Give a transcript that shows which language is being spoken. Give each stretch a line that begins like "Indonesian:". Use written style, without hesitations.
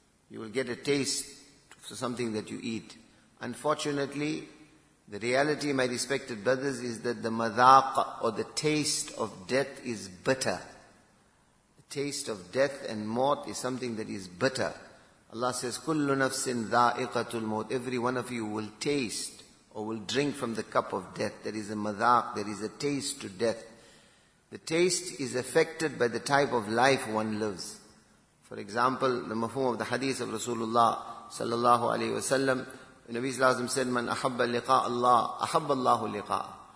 English: You will get a taste for something that you eat. Unfortunately, the reality, my respected brothers, is that the madaq or the taste of death is bitter. The taste of death and mort is something that is bitter. Allah says,
Arabic: كُلُّ نَفْسٍ ذَائِقَةُ الْمَوْتِ.
English: Every one of you will taste or will drink from the cup of death. There is a madaq, there is a taste to death. The taste is affected by the type of life one lives. For example, the mafhum of the hadith of Rasulullah sallallahu alayhi wa sallam, Nabi sallallahu alayhi wa sallam said,
Arabic: man ahabba liqa Allah, ahabba Allahu liqa.